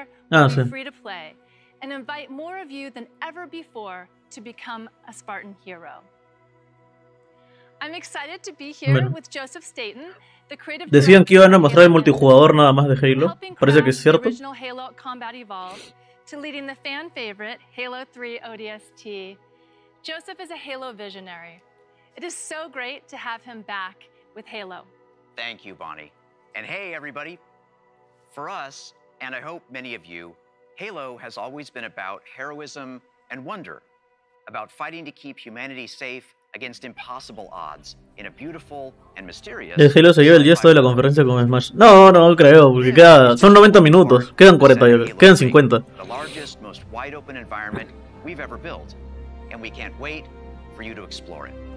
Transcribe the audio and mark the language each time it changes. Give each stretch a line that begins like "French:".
English: And invite more of you than ever before to become a Spartan hero. I'm excited to be here with Joseph Staten.
Spanish: Decían que iban a mostrar el multijugador nada más de Halo. Parece que es cierto.
English: Joseph is a Halo visionary. It is so great to have him back with Halo. Thank you, Bonnie. And hey, everybody. For us, and I hope many of you, Halo has always been about heroism and wonder, about fighting to keep humanity safe against impossible odds in a beautiful and mysterious.
Spanish: De Halo se lleva el yesto de la conferencia con Smash. No, no creo, porque queda, son 90 minutos, quedan 40, quedan 50.
English: The largest, most wide open environment we've ever built, and we can't wait for you to explore it.